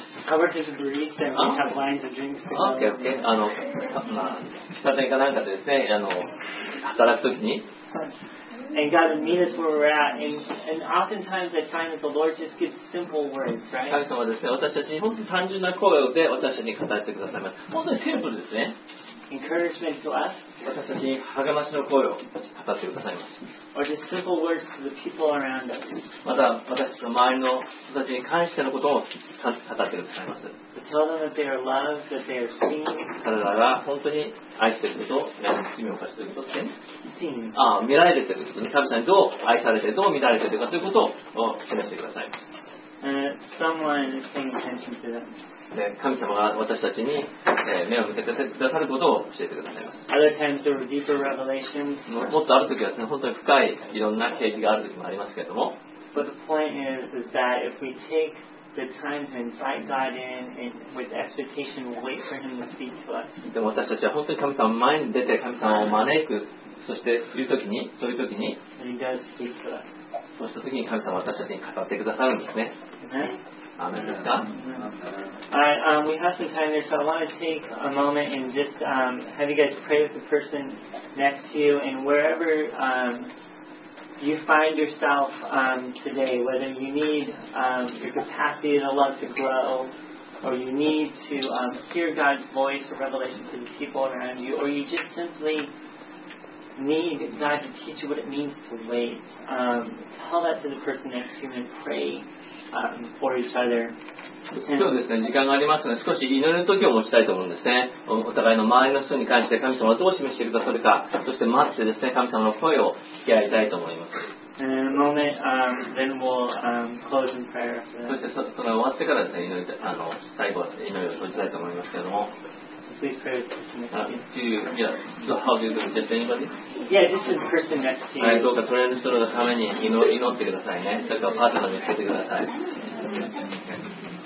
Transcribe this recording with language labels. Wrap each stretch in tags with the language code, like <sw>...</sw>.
<en>I worked as a barista and we'd have lines of drinks. And God would meet us where we're at, and oftentimes I find that the Lord just gives simple words, right?</en> <ja>神様はですね、私たちに本当に単純な声で私たちに語ってくださいます。本当にシンプルですね。</ja> <en>Encouragement to us.</en> <ja>私たちに励ましの声を語ってくださいます。</ja> <en>Or just simple words to the people around us.</en> <ja>また私たちの周りの人たちに関してのことを語ってくださいます。</ja> <en>To tell them that they are loved, that they are seen.</en> <ja>彼らが本当に愛していることを、罪を犯していることですね。見られてるということに神様にどう愛されてどう見られてるかということを示してください。で神様が私たちに、目を向けてくださることを教えてくださいます。</ja> <en>Other times there were deeper revelations.</en> <ja>もっとあるときはですね、本当に深いいろんな啓示があるときもありますけれども。</ja> <en>But the point is that if we take the time to invite God in and with expectation wait for Him to speak to us.</en> <ja>でも私たちは本当に神様の前に出て神様を招く。そしているときに、そういうときに、そうしたときに神様は私たちに語ってくださるんですね。アーメンですか？</ja> <en>We have some time here, so I want to take a moment and just have you guys pray with the person next to you and wherever you find yourself today, whether you need your capacity to love to grow. Or you need to hear God's voice or revelation to the people around you, or you just simply need God to teach you what it means to wait. Tell that to the person next to you and pray for each other.</en> <ja>今日ですね、時間がありますので、少し祈りの時を持ちたいと思うんですね。お互いの周りの人に関して神様はどう示しているか、それか、そして待ってですね、神様の声を聞き合いたいと思います。そして それが終わってからですね、祈り最後は祈りを閉じたいと思いますけれども。</ja> <en>Please pray with me. Do you, yeah, how do you do it? Just anybody? Yeah, just the person next to you. Pray for the person next to you.</en>